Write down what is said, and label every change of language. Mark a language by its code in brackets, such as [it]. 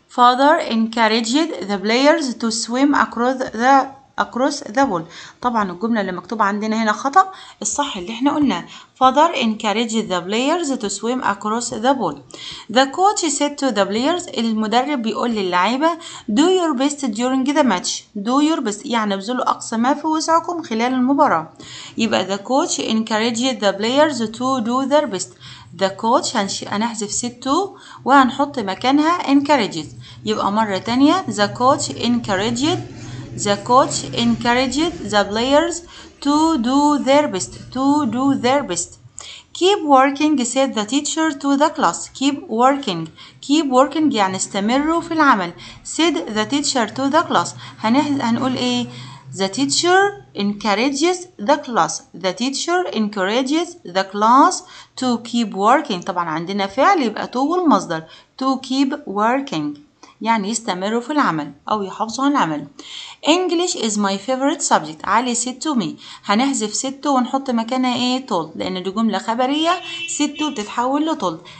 [en] Father encouraged the players to swim across the pool. [ar] طبعا الجملة اللي مكتوبة عندنا هنا خطأ، الصح اللي احنا قلناه. [en] Father encouraged the players to swim across the pool. The coach said to the players، [ar] المدرب بيقول للعيبة، [en] do your best during the match. Do your best [ar] يعني بذلوا أقصى ما في وسعكم خلال المباراة. [en] يبقى the coach encouraged the players to do their best. The coach هنحذف said to [ar] وهنحط مكانها [en] encouraged. [ar] يبقى مرة تانية، [en] the coach encouraged، the coach encouraged the players to do their best. To do their best. Keep working said the teacher to the class. Keep working. Keep working [ar] يعني استمروا في العمل. [en] Said the teacher to the class. [ar] هنقول ايه؟ [en] The teacher encourages the class. The teacher encourages the class to keep working. [ar] طبعا عندنا فعل يبقى to والمصدر. [en] To keep working [ar] يعني يستمروا في العمل أو يحافظوا على العمل. [en] English is my favorite subject. Ali said to me. هنحذف said to [ar] ونحط مكانها ايه؟ [en] told. [ar] لأن دي جملة خبرية، [en] said to [ar] بتتحول لتold.